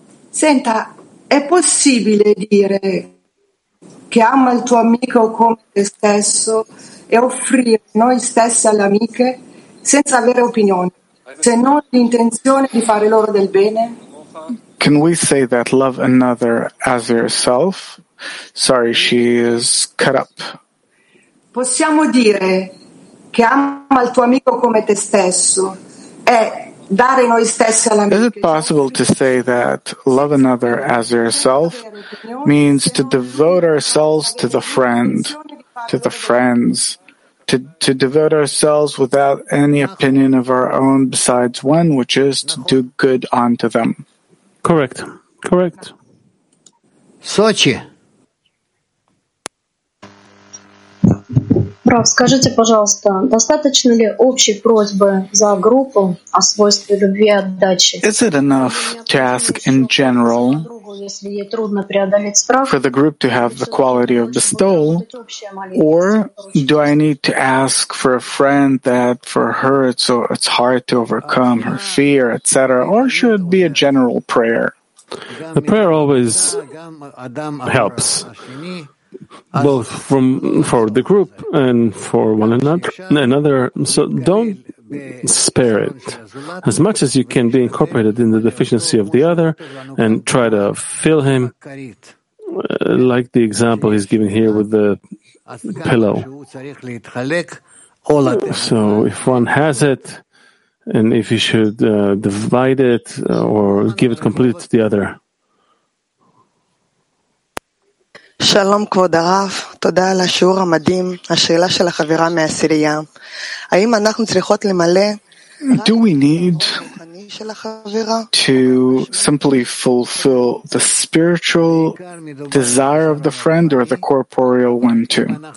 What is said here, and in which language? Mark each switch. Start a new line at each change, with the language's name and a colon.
Italian: Senta, è possibile dire che ama il tuo amico come te stesso e offrire noi stessi alle amiche senza avere opinioni, se non l'intenzione di fare loro del bene?
English: Can we say that love another as yourself? Sorry, she is cut up.
Italian: Possiamo dire che ama il tuo amico come te stesso e dare noi stessi all'amico.
English: Is it possible to say that love another as yourself means to devote ourselves to the friend, to the friends, to devote ourselves without any opinion of our own besides one, which is to do good unto them? Correct. Correct. Sochi.
Russian: Рав, скажите, пожалуйста, достаточно ли общей просьбы за группу о свойстве любви и отдачи?
English: Is it enough to ask in general for the group to have the quality of bestowal? Or do I need to ask for a friend that for her it's hard to overcome her fear, etc.? Or should it be a general prayer? The prayer always helps. both for the group and for one another. So don't spare it. As much as you can be incorporated in the deficiency of the other and try to fill him, like the example he's given here with the pillow. So if one has it, and if you should divide it or give it completely to the other.
Hebrew: שלום כבוד הרב, תודה על השיעור המדהים, השאלה של החברה מהסירייה. האם אנחנו צריכות למלא...
English: Do we need to simply fulfill the spiritual desire of the friend or the corporeal one too?